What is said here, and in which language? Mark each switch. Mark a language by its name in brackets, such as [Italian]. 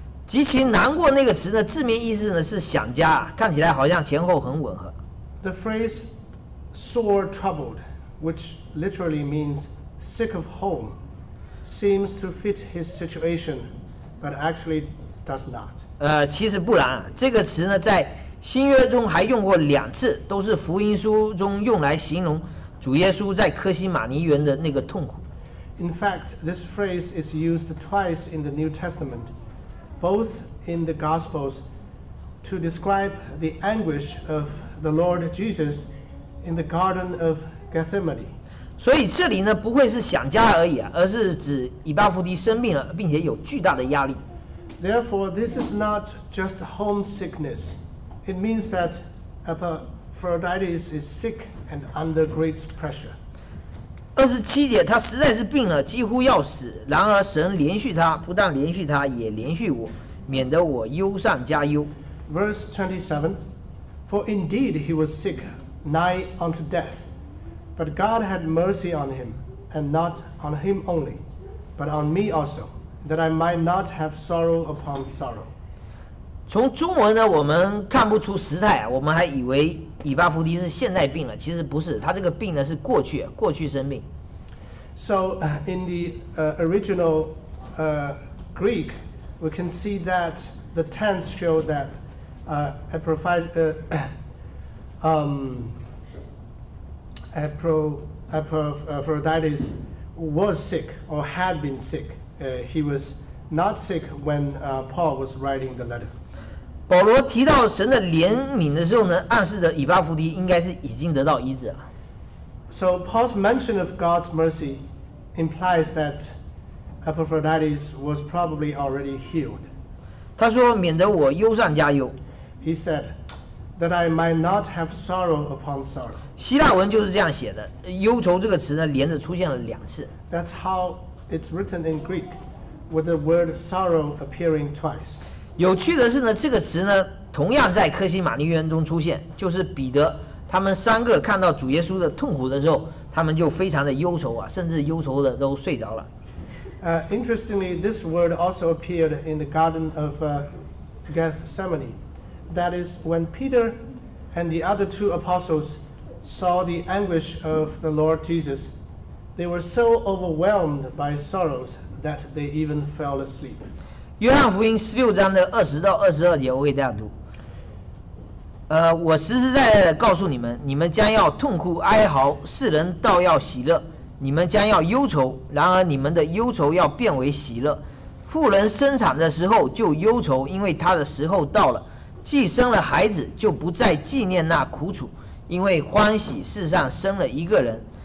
[Chinese] 极其难过那个词呢，字面意思呢是想家，看起来好像前后很吻合。 [English] The phrase. Sore troubled, which literally means sick of home, seems to fit his situation, but actually does not. [Chinese] 其实不然，这个词呢，在新约中还用过两次，都是福音书中用来形容主耶稣在科西马尼园的那个痛苦。 [English] In fact, this phrase is used twice in the New Testament, both in the Gospels, to describe the anguish of the Lord Jesus. In the Garden of Gethsemane. [Chinese] 所以这里呢不会是想家而已啊，而是指以巴弗提生病了，并且有巨大的压力。 [English] Therefore, this is not just homesickness. It means that Epaphroditus is sick and under great pressure. [Chinese] 二十七节，他实在是病了，几乎要死。然而神连续他，不但连续他，也连续我，免得我忧上加忧。 [English] Verse 27, for indeed he was sick, nigh unto death, but God had mercy on him, and not on him only, but on me also, that I might not have sorrow upon sorrow. [Chinese] 从中文呢，我们看不出时态，我们还以为以巴弗提是现在病了，其实不是，他这个病呢是过去，过去生病。 [English] So in the original Greek, we can see that the tense show that Epaphroditus was sick or had been sick. He was not sick when Paul was writing the letter. [Chinese] 保罗提到神的怜悯的时候呢，暗示着以巴弗提应该是已经得到医治了。 [English] So Paul's mention of God's mercy implies that Epaphroditus was probably already healed. [Chinese] 他说免得我忧上加忧。 [English] He said that I might not have sorrow upon sorrow. [Chinese] 希腊文就是这样写的，忧愁这个词呢连着出现了两次。 [English] That's how it's written in Greek, with the word sorrow appearing twice. [Chinese] 有趣的是呢，这个词呢同样在科西玛丽园中出现，就是彼得他们三个看到主耶稣的痛苦的时候，他们就非常的忧愁啊，甚至忧愁的都睡着了。 [English] Interestingly, this word also appeared in the Garden of Gethsemane. That is when Peter and the other two apostles saw the anguish of the Lord Jesus. They were so overwhelmed by sorrows that they even fell asleep. [Chinese] 约翰福音十六章的二十到二十二节，我给大家读。我实实在在的告诉你们，你们将要痛哭哀嚎，世人倒要喜乐；你们将要忧愁，然而你们的忧愁要变为喜乐。妇人生产的时候就忧愁，因为她的时候到了；既生了孩子，就不再纪念那苦楚，因为欢喜世上生了一个人。